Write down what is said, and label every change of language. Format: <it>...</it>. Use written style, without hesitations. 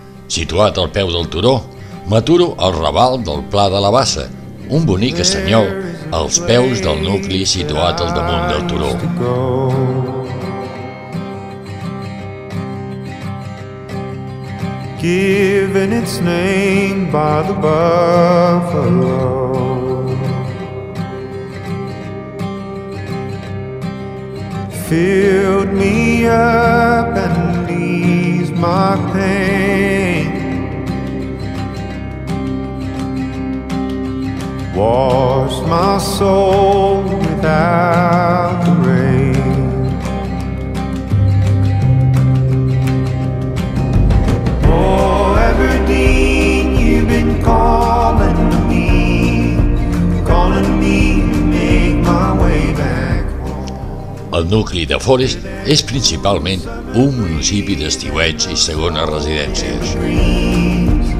<ca>Situat al peu del turó, m'aturo al raval del Pla de la Bassa, un bonic senyal als peus del nucli situat al damunt del turó.</ca> <en>Given its name by the buffalo. Filled me up and eased my pain. Washed my soul without the rain. Oh, Aberdeen, you've been calling me, calling me to make my way back.</en> <ca>El nucli de Forès és principalment un municipi d'estiueig i segones residències.</ca>